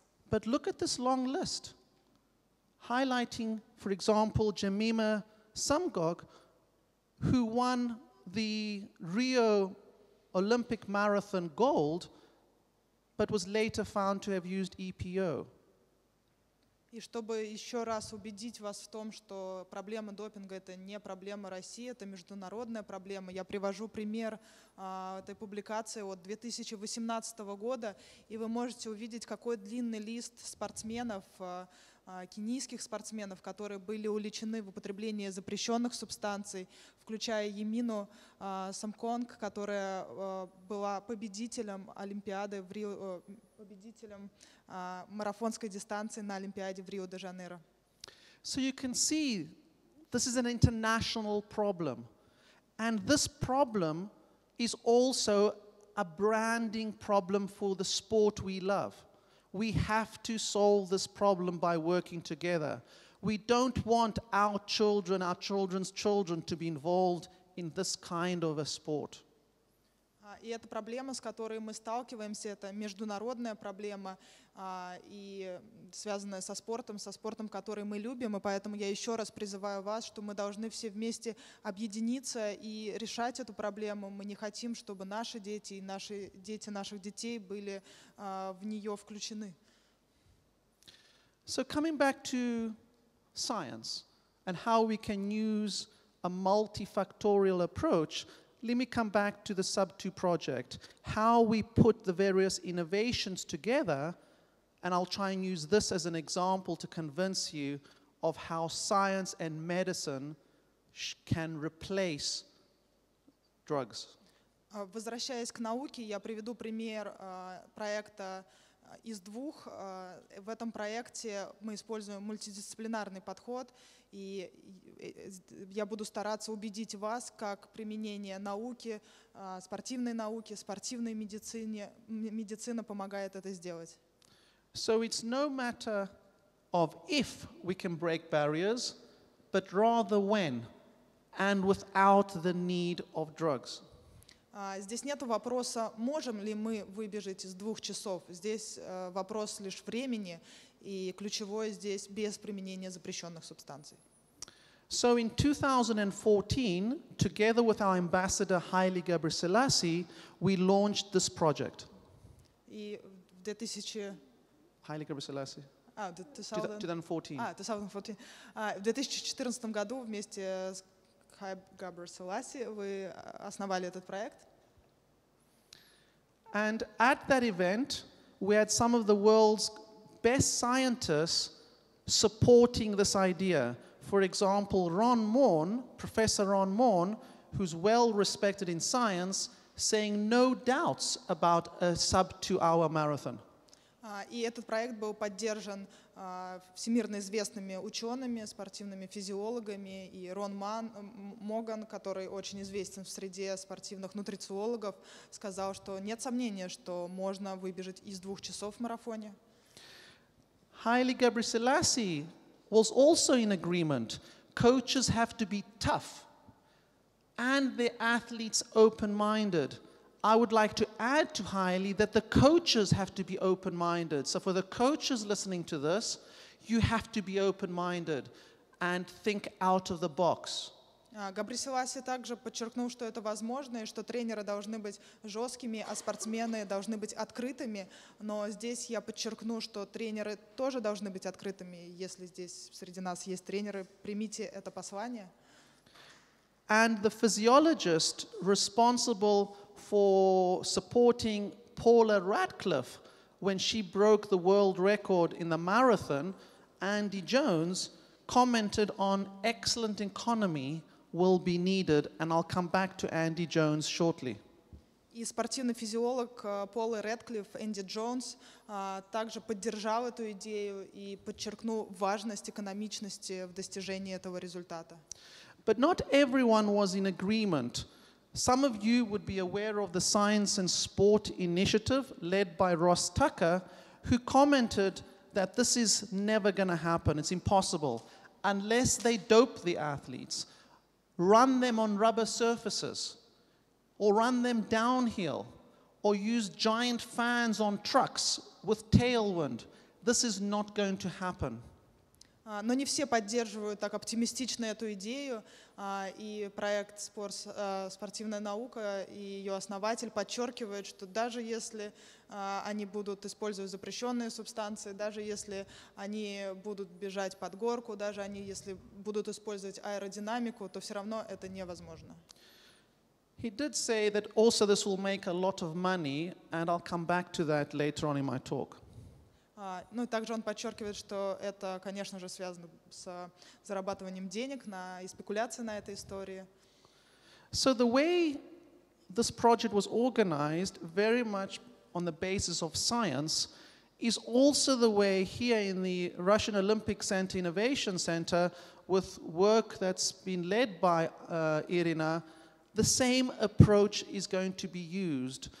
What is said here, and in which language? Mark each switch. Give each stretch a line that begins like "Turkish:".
English: But look at this long list, highlighting, for example, Jemima Sumgog, who won the Rio Olympic marathon gold, but was later found to have used EPO.
Russian: И чтобы еще раз убедить вас в том, что проблема допинга – это не проблема России, это международная проблема, я привожу пример этой публикации от 2018 года, и вы можете увидеть, какой длинный лист спортсменов, кенийских спортсменов, которые были уличены в употреблении запрещенных субстанций, включая Ямину Самконг, которая была победителем Олимпиады в Рио, победителем марафонской дистанции на Олимпиаде в Рио-де-Жанейро.
English: So you can see this is an international problem. And this problem is also a branding problem for the sport we love. We have to solve this problem by working together. We don't want our children, our children's children, to be involved in this kind of a sport.
Russian: И эта проблема, с которой мы сталкиваемся, это международная проблема, и связанная со спортом, который мы любим, и поэтому я еще раз призываю вас, что мы должны все вместе объединиться и решать эту проблему. Мы не хотим, чтобы наши дети и наши дети наших детей были в нее включены.
English: So coming back to science and how we can use a multifactorial approach, let me come back to the sub 2 project, how we put the various innovations together, and I'll try and use this as an example to convince you of how science and medicine can replace drugs.
Russian: Возвращаясь к науке, я приведу пример проекта из двух. В этом проекте мы используем мультидисциплинарный подход, и я буду стараться убедить вас, как применение науки, спортивной науки, спортивной медицине, медицина помогает это сделать.
English: So it's no matter of if we can break barriers, but rather when and without the need of drugs.
Russian: Здесь нет вопроса, можем ли мы выбежать из двух часов. Здесь вопрос лишь времени, и ключевое здесь без применения запрещенных субстанций.
English: So in 2014, together with our ambassador Haile Gebrselassie, we launched this project.
Russian: И в 2000...
English: Haile Gebrselassie.
Russian: В 2014 году вместе с Габр Селаси, вы основали этот проект.
English: And at that event, we had some of the world's best scientists supporting this idea. For example, Рон Морн, Professor Рон Морн, who's well respected in science, saying no doubts about a sub-2-hour marathon.
Russian: И этот проект был поддержан всемирно известными учеными, спортивными физиологами, и Рон Моган, который очень известен в среде спортивных нутрициологов, сказал, что нет сомнения, что можно выбежать из двух часов в марафоне.
English: Haile Gebrselassie was also in agreement. Coaches have to be tough, and the athletes open-minded. I would like to add to Haile that the coaches have to be open-minded. So for the coaches listening to this, you have to be open-minded and think out of the box.
Russian: Габриселаси также подчеркнул, что это возможно, и что тренеры должны быть жесткими, а спортсмены должны быть открытыми. Но здесь я подчеркну, что тренеры тоже должны быть открытыми. Если здесь среди нас есть тренеры, примите это послание.
English: And the physiologist responsible for supporting Paula Radcliffe when she broke the world record in the marathon, Andy Jones, commented on excellent economy will be needed, and I'll come back to Andy Jones shortly.
Russian: И спортивный физиолог Пола Рэдклифф, Энди Джонс, также поддержал эту идею и подчеркнул важность экономичности в достижении этого результата.
English: But not everyone was in agreement. Some of you would be aware of the Science and Sport Initiative led by Ross Tucker, who commented that this is never going to happen, it's impossible, unless they dope the athletes, run them on rubber surfaces, or run them downhill, or use giant fans on trucks with tailwind. This is not going to happen.
Russian: Но не все поддерживают так оптимистично эту идею, и проект «Спортивная наука» и ее основатель подчеркивает, что даже если они будут использовать запрещенные субстанции, даже если они будут бежать под горку, даже они, если будут использовать аэродинамику, то все равно это невозможно.
English: He did say that also this will make a lot of money, and I'll come back to that later on in my talk.
Russian: Ну и также он подчеркивает, что это, конечно же, связано с зарабатыванием денег и спекуляцией на этой истории.
English: So the way this project was organized, very much on the basis of science, is also the way here in the Russian Olympic Center Innovation Center, with work that's been led by Irina, the same approach is going to be used.